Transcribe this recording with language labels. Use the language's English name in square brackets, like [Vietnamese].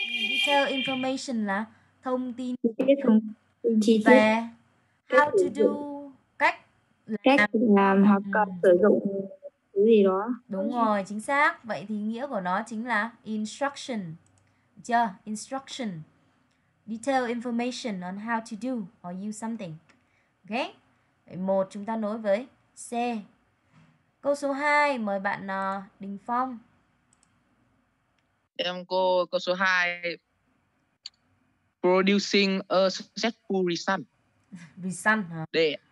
[English] Detail information [Vietnamese] là thông tin. Chi tiết. Về [English] how to do. [Vietnamese] Cách làm. Cách làm hoặc cần sử dụng. Gì đó. Đúng rồi, chính xác. Vậy thì nghĩa của nó chính là instruction. Được chưa? Instruction. [English] Detail information on how to do or use something. Ok. [Vietnamese] Vậy một chúng ta nối với C. Câu số 2 mời bạn Đình Phong. Em cô câu số 2. [English] Producing a successful result. [Vietnamese] Result hả? Để.